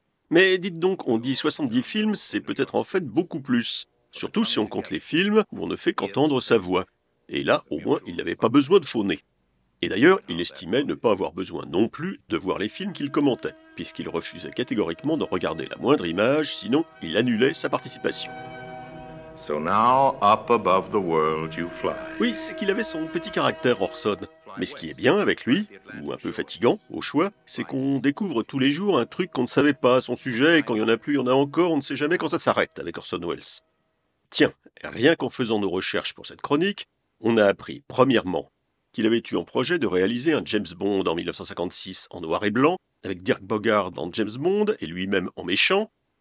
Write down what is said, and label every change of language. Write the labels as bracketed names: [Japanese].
[French] Mais dites donc, on dit 70 films, c'est peut-être en fait beaucoup plus. Surtout si on compte les films où on ne fait qu'entendre sa voix. Et là, au moins, il n'avait pas besoin de faux nez. Et d'ailleurs, il estimait ne pas avoir besoin non plus de voir les films qu'il commentait, puisqu'il refusait catégoriquement d'en regarder la moindre image, sinon il annulait sa participation. [English] So now, up above the world, you fly. [French] Oui, c'est qu'il avait son petit caractère Orson. Mais ce qui est bien avec lui, ou un peu fatigant, au choix, c'est qu'on découvre tous les jours un truc qu'on ne savait pas à son sujet, et quand il n'y en a plus, il y en a encore, on ne sait jamais quand ça s'arrête avec Orson Welles. Tiens, rien qu'en faisant nos recherches pour cette chronique, on a appris, premièrement, qu'il avait eu en projet de réaliser un James Bond en 1956 en noir et blanc, avec Dirk Bogarde en James Bond et lui-même en méchant.